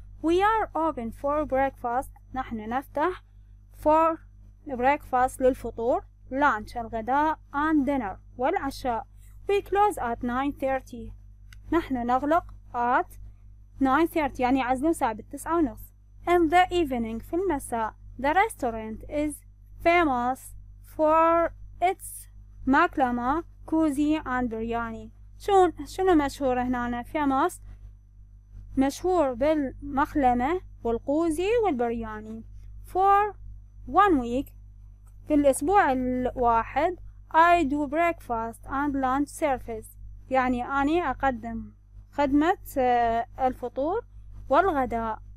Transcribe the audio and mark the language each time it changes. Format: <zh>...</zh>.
<en>we are open for breakfast</en> <ar>نحن نفتح،</ar> <en>for breakfast للفطور، lunch الغداء، and dinner والعشاء. we close at 9:30</en> <ar>نحن نغلق</ar> <en>at 9:30</en> <ar>يعني عزل ساعة بالتسعة ونص.</ar> <en>in the evening</en> <ar>في المساء،</ar> <en>the restaurant is famous for its maklama, kuzi and biryani.</en> <ar>شنو مشهور هنا famous؟ مشهور بالمخلمة والقوزي والبرياني.</ar> <en>for one week</en> <ar>في الأسبوع الواحد،</ar> <en>I do breakfast and lunch service</en> <ar>يعني أني أقدم خدمة الفطور والغداء.</ar>